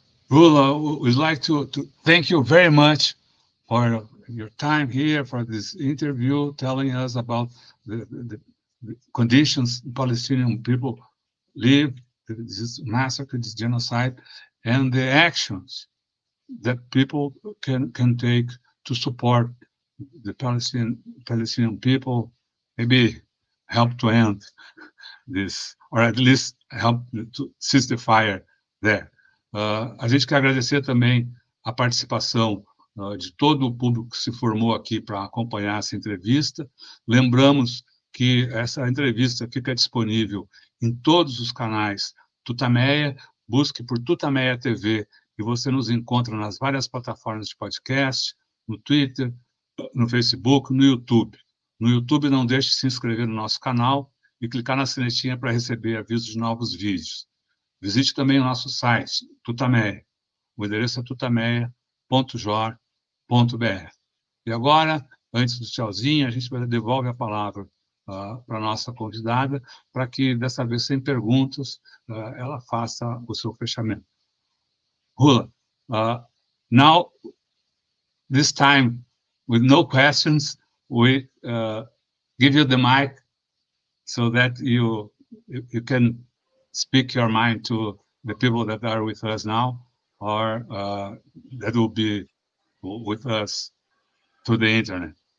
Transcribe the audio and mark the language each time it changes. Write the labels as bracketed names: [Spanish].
[English] Rula, we'd like to thank you very much for your time here, for this interview, telling us about the conditions Palestinian people live, this massacre, this genocide, and the actions that people can take to support the Palestinian people, maybe help to end this, or at least help to cease the fire there. [Portuguese] A gente quer agradecer também a participação de todo o público que se formou aqui para acompanhar essa entrevista. Lembramos que essa entrevista fica disponível em todos os canais Tutameia. Busque por Tutameia TV e você nos encontra nas várias plataformas de podcast, no Twitter, no Facebook, no YouTube. No YouTube, não deixe de se inscrever no nosso canal e clicar na sinetinha para receber avisos de novos vídeos. Visite também o nosso site, Tutameia. O endereço é tutameia.jor.br. E agora, antes do tchauzinho, a gente devolve a palavra para a nossa convidada, para que, dessa vez, sem perguntas, ela faça o seu fechamento. [English] Rula, now, this time, with no questions, we give you the mic so that you can speak your mind to the people that are with us now, or that will be with us to the internet.